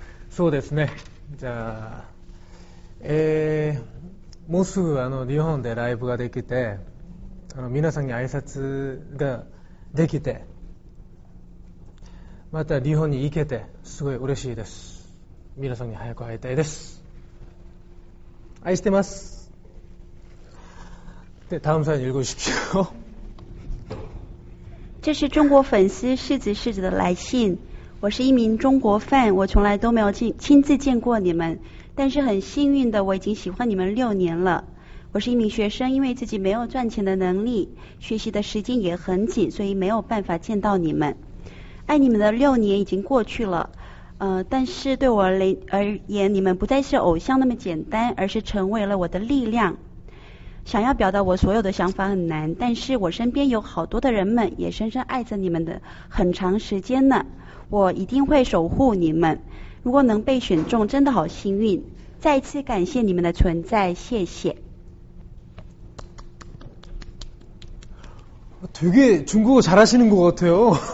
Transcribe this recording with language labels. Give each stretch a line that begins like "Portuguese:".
Japanese: そうですね。じゃあ、もうすぐ日本でライブができて、皆さんに挨拶ができて、また日本に行けて、すごい嬉しいです。皆さんに早く会いたいです。愛してます。
Korean: で、 다음 사연 읽어 주십시오。
Chinese: 这是中国粉丝柿子的来信，我是一名中国 fan，我从来都没有亲自见过你们，但是很幸运的我已经喜欢你们6年了。我是一名学生，因为自己没有赚钱的能力，学习的时间也很紧，所以没有办法见到你们。爱你们的6年已经过去了，但是对我而言，你们不再是偶像那么简单，而是成为了我的力量。想要表达我所有的想法很难，但是我身边有好多的人们也深深爱着你们的很长时间呢。我一定会守护你们，如果能被选中，真的好幸运。再一次感谢你们的存在，谢谢。
Korean: 되게 중국어 잘하시는 것 같아요.